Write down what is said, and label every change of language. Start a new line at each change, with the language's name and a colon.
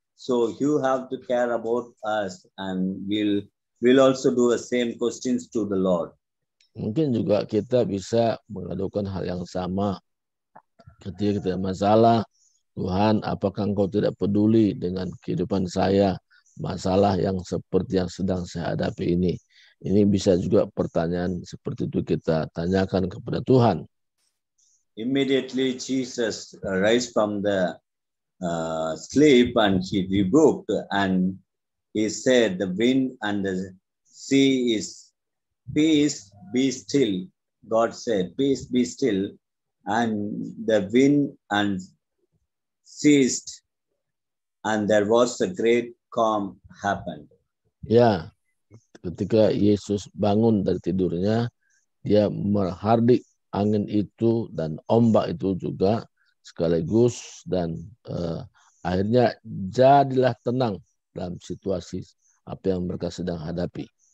English: So you have to care about us, and we'll also do the same questions to the Lord.
Indonesian: Mungkin juga kita bisa mengadukan hal yang sama. Ketika kita ada masalah, Tuhan, apakah engkau tidak peduli dengan kehidupan saya, masalah yang seperti yang sedang saya hadapi ini? Ini bisa juga pertanyaan seperti itu kita tanyakan kepada Tuhan.
English: Immediately Jesus rise from the sleep and he rebuked and he said the wind and the sea is peace, be still. God said, peace, be still. And the wind and ceased. And there was a great calm happened.
Indonesian: Ya, ketika Yesus bangun dari tidurnya, dia menghardik angin itu dan ombak itu juga sekaligus. Dan akhirnya jadilah tenang dalam situasi apa yang mereka sedang hadapi.